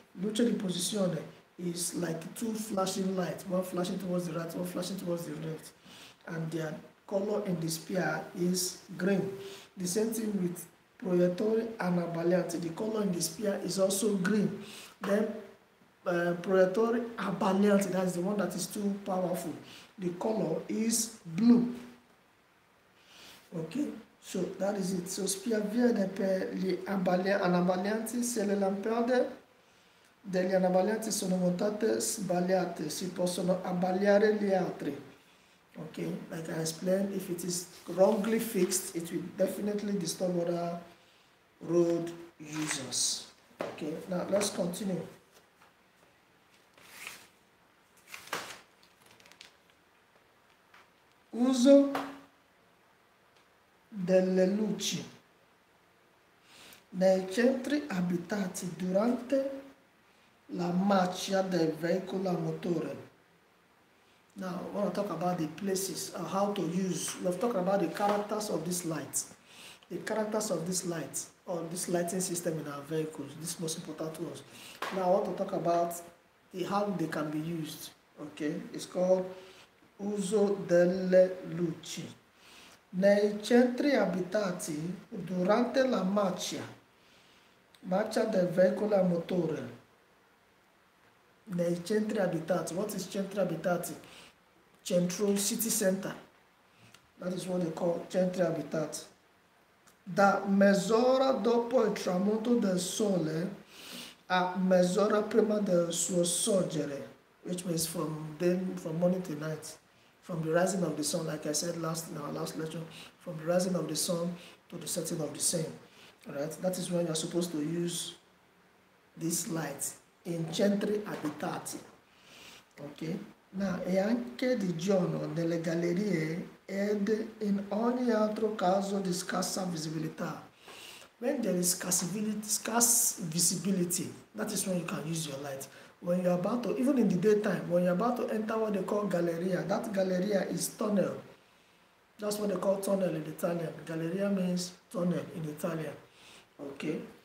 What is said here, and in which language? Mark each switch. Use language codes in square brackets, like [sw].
[it] Luce di posizione [en] is like two flashing lights, one flashing towards the right, one flashing towards the left, and their color in the spia is green. The same thing with [it] proiettore anabaglianti, [en] the color in the spia is also green. Then [it] proiettore abbaglianti, [en] that's the one that is too powerful, the color is blue. Okay, so that is it. [it] So spia verde per gli anabaglianti, se le lampade degli anabaglianti sono montate sbagliate, si possono abbagliare gli altri. [en] Okay, like I explained, if it is wrongly fixed, it will definitely disturb other road users. Okay, now let's continue. [it] Uso delle luci nei centri abitati durante la marcia del veicolo a motore. [en] Now, I want to talk about the places, how to use. We've talked about the characters of this light. The characters of this light, or this lighting system in our vehicles. This is most important to us. Now, I want to talk about the, how they can be used. Okay, it's called [it] uso delle luci. Nei centri abitati durante la marcia, marcia del veicolo a motore. Nei centri abitati, [en] what is [it] centri abitati? [en] Central city center, that is what they call [it] centri abitati. Da mezz'ora dopo il tramonto del sole a mezz'ora prima del suo sorgere, [en] which means from then, from morning to night, from the rising of the sun, like I said last in our last lecture, from the rising of the sun to the setting of the same. All right, that is when you are supposed to use this light in [it] centri abitati. [en] Okay. [it] Now, e anche di giorno nelle gallerie ed in ogni altro caso di scarsa visibilità. [en] When there is scarce visibility, that is when you can use your light. When you are about to, even in the daytime, when you are about to enter what they call galleria, that galleria is tunnel. That's what they call tunnel in Italian. Galleria means tunnel in Italian. Okay.